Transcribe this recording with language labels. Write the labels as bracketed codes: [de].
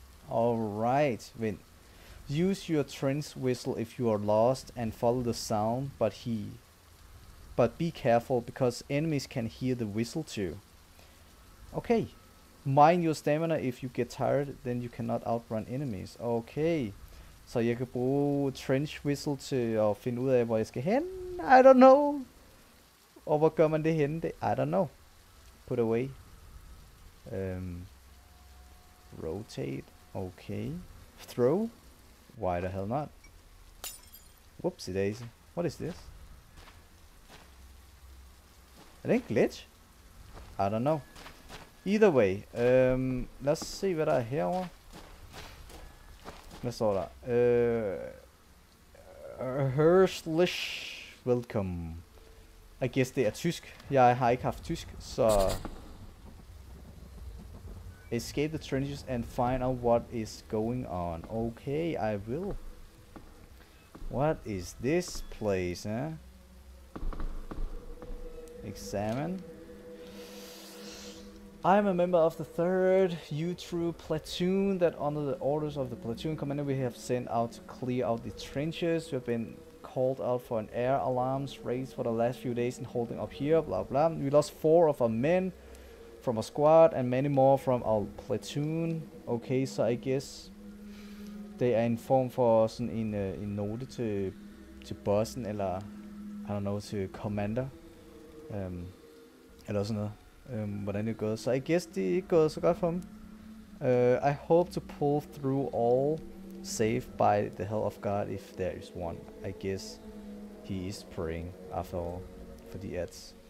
[en] Alright, vent. Use your trench whistle if you are lost and follow the sound, but be careful because enemies can hear the whistle too. Okay. Mind your stamina if you get tired, then you cannot outrun enemies. Okay. [da] Så jeg kan bruge trench whistle til at finde ud af, hvor jeg skal hen? [en] I don't know. [da] Og hvor gør man det hen? [en] I don't know. Put away. Rotate. Okay. Throw. Why the hell not? Whoopsie daisy. What is this? [da] Er det en glitch? [en] I don't know. Either way. [da] Lad os se hvad der er herovre. Hvad står der? [en] Herzlich welcome. I guess [da] det er tysk. Jeg har ikke haft tysk, så. [en] Escape the trenches and find out what is going on. Okay, I will. What is this place, huh? Examine. I am a member of the 3rd U-Troop platoon that under the orders of the platoon commander we have sent out to clear out the trenches. We have been called out for an air alarms raised for the last few days and holding up here, blah blah. We lost 4 of our men from a squad and many more from our platoon. Okay, so I guess they are informed for [da] sådan en en note til bossen eller [en] I don't know [da] til commander eller sådan noget. Hvordan det går. Så [en] I guess [da] det ikke går så godt for dem. [en] I hope to pull through all safe by the help of God if there is one. I guess he is praying after all for the ads.